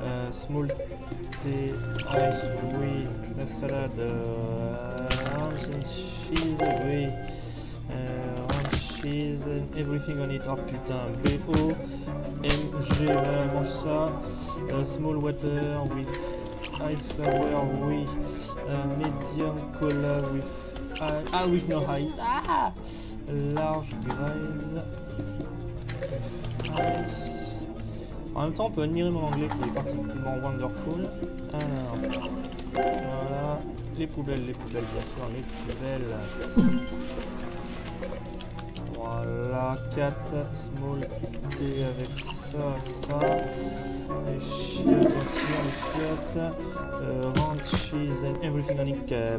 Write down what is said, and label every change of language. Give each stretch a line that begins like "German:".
English: Small tea, ice,
French: oui, la salade,
English: ranch and cheese, oui, ranch cheese, everything on it,
French: oh putain,
English: B-O-M-G,
French: mange ça,
English: small water with ice flower, oui, medium cola with ice, ah, with no ice, ah, large graze, ice.
French: En même temps, on peut admirer mon anglais qui est particulièrement wonderful. Alors, voilà. Les poubelles, bien sûr, les poubelles. Voilà, 4 small D avec ça, ça. Les chiottes, bien sûr, les chiottes.
English: Ranch cheese and everything on it.